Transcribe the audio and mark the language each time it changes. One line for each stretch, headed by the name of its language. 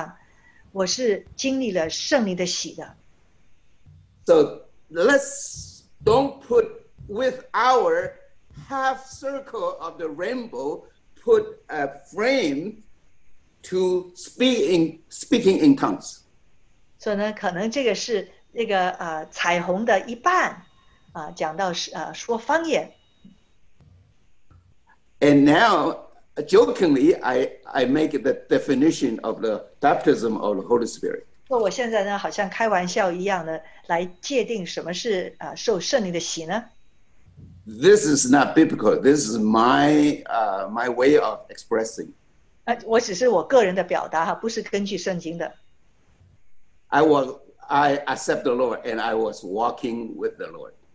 Chinese: 但是呢,我过了这么多年,我现在是很确定,其实那一次当我接受耶稣的那个晚上,我是经历了圣灵的洗的。
English: So let's don't put with our half circle of the rainbow, put a frame to speaking in tongues. So
Chinese: 呢,可能这个是那个彩虹的一半,讲到说方言。
English: And now, jokingly, I make the definition of the baptism of the Holy Spirit.
Chinese: 那我现在呢,好像开玩笑一样的来界定什么是受圣灵的洗呢?
English: This is not biblical. This is my way of expressing.
Chinese: 我只是我个人的表达,不是根据圣经的。
English: I accept the Lord and I was walking with the Lord.